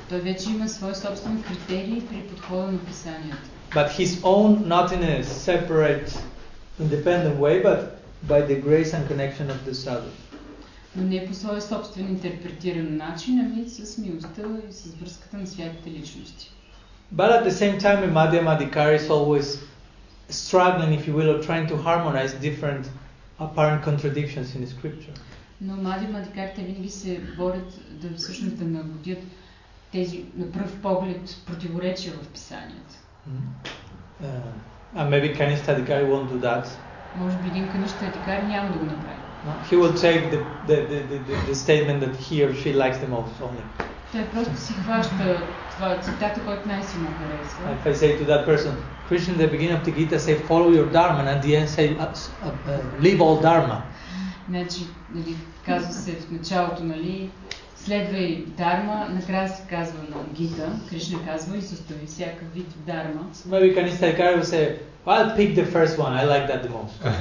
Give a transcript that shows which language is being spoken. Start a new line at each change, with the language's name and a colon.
Bulgarian: Той вече има свой собствен критерий при подхода на писанието.
English: But his own, not in a separate, independent way, but by the grace and connection of the sadhu.
Bulgarian: Но не по своя собствен интерпретиран начин, ами с милостта и с връзката на святите личности.
English: But at the same time, Madhyam Adhikari is always struggling, if you will, or trying to harmonize different apparent contradictions in the scripture.
Bulgarian: Но Madhyam Adhikari винаги се борят да всъщност да нагодят тези на пръв поглед противоречия в писанието.
English: And maybe Kanishtha Adhikari won't do that.
Bulgarian: Може би един Kanishtha Adhikari няма да го направи.
English: He will take the statement that he or she likes the most only.
Bulgarian: Той просто си хваща това цитата, който най-силно харесва.
English: If I say to that person, Krishna, the beginning of the Gita say follow your dharma, and at the end say leave all dharma.
Bulgarian: Значи, нали, казва се в началото, нали, следвай дарма, накрая се казва на Гита, Кришна казва и състави всяка вид дарма.
English: So maybe Kanishtha Adhikari will say, I'll pick the first one, I like that the most.